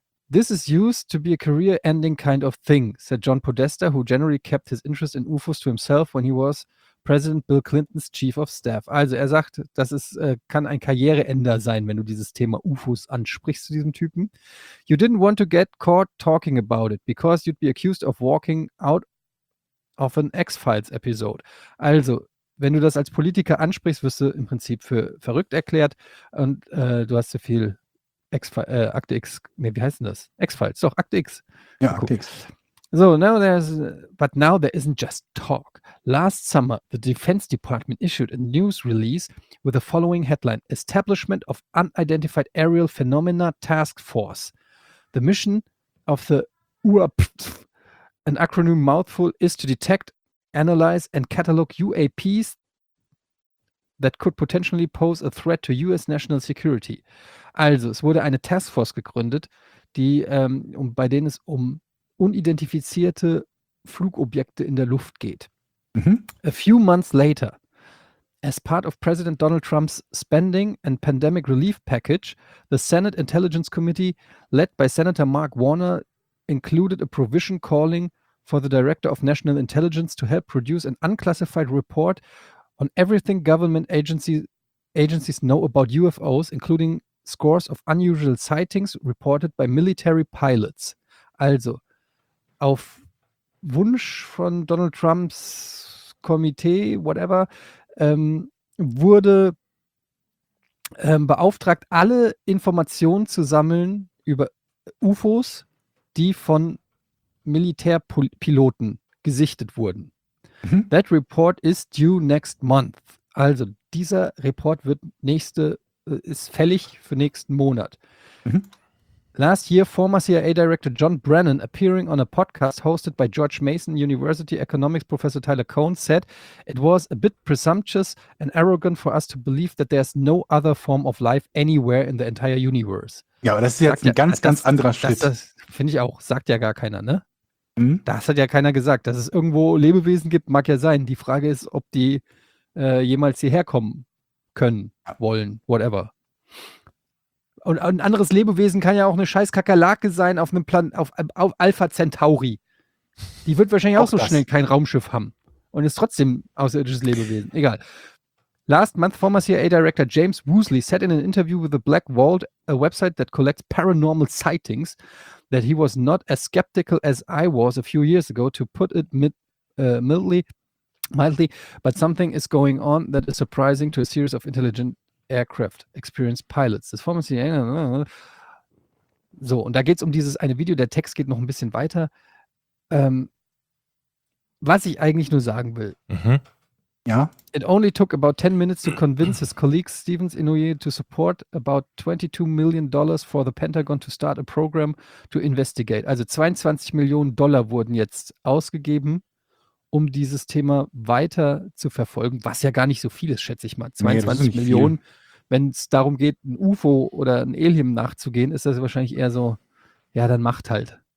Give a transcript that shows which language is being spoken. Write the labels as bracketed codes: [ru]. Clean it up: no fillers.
[en] This is used to be a career-ending kind of thing, said John Podesta, who generally kept his interest in UFOs to himself when he was President Bill Clintons Chief of Staff. [de] Also er sagt, das ist, kann ein Karriereender sein, wenn du dieses Thema UFOs ansprichst zu diesem Typen. [en] You didn't want to get caught talking about it, because you'd be accused of walking out of an X-Files episode. [de] Also, wenn du das als Politiker ansprichst, wirst du im Prinzip für verrückt erklärt und du hast zu viel Akte X, nee, wie heißt denn das? X-Files, doch, Akte X. Ja, cool. Akte X. [en] So, now there's, but now there isn't just talk. Last summer, the Defense Department issued a news release with the following headline, Establishment of Unidentified Aerial Phenomena Task Force. The mission of the UAP, an acronym mouthful, is to detect, analyze, and catalog UAPs that could potentially pose a threat to US national security. [de] Also, es wurde eine Taskforce gegründet, die bei denen es um unidentifizierte Flugobjekte in der Luft geht. Mm-hmm. [en] A few months later, as part of President Donald Trump's spending and pandemic relief package, the Senate Intelligence Committee, led by Senator Mark Warner, included a provision calling for the Director of National Intelligence to help produce an unclassified report on everything government agencies know about UFOs, including scores of unusual sightings reported by military pilots. [de] Also, auf Wunsch von Donald Trumps Komitee, whatever, wurde beauftragt, alle Informationen zu sammeln über UFOs, die von Militärpiloten gesichtet wurden. Mhm. [en] That report is due next month. [de] Also, dieser Report wird ist fällig für nächsten Monat. Mhm. [en] Last year, former CIA Director John Brennan, appearing on a podcast hosted by George Mason University economics professor Tyler Cohn, said, it was a bit presumptuous and arrogant for us to believe that there's no other form of life anywhere in the entire universe. [de] Ja, aber das ist jetzt ganz anderer Schritt. Das finde ich auch, sagt ja gar keiner, ne? Mhm. Das hat ja keiner gesagt, dass es irgendwo Lebewesen gibt, mag ja sein. Die Frage ist, ob die jemals hierher kommen können, wollen, whatever. Und ein anderes Lebewesen kann ja auch eine scheiß Kakerlake sein auf einem Plan, auf Alpha Centauri. Die wird wahrscheinlich auch so schnell kein Raumschiff haben und ist trotzdem außerirdisches Lebewesen. Egal. [en] Last month, former CIA Director James Woosley said in an interview with the Black Vault, a website that collects paranormal sightings, that he was not as skeptical as I was a few years ago, to put it mildly, but something is going on that is surprising to a series of intelligent aircraft experienced pilots. [de] Das Format hier, so, und da geht es um dieses eine Video, der Text geht noch ein bisschen weiter. Was ich eigentlich nur sagen will. Mhm. Ja. [en] It only took about 10 minutes to convince his colleagues, Stevens Inouye, to support about $22 million for the Pentagon to start a program to investigate. [de] Also $22 million wurden jetzt ausgegeben, um dieses Thema weiter zu verfolgen, was ja gar nicht so viel ist, schätze ich mal. 22 nee, Millionen, wenn es darum geht, ein UFO oder ein Alien nachzugehen, ist das wahrscheinlich eher so, ja, dann macht halt.